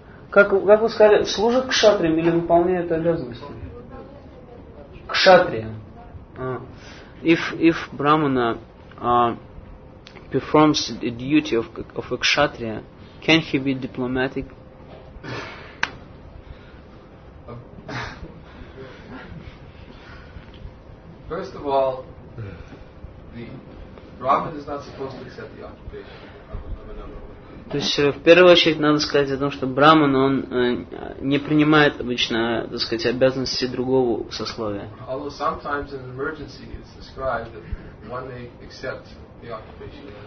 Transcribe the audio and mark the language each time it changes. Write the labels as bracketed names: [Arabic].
[Russian] Как вы сказали, служит Кшатриям или выполняет обязанности? Кшатрия. [English] If Brahmana performs the duty of a Kshatriya, can he be diplomatic? First of all, the Brahmin is not supposed to accept the occupation of another one. [Russian] То есть в первую очередь надо сказать о том, что Брахман он не принимает обычно, так сказать, обязанности другого сословия. [English] Although sometimes in an emergency it's described that one may accept the occupation.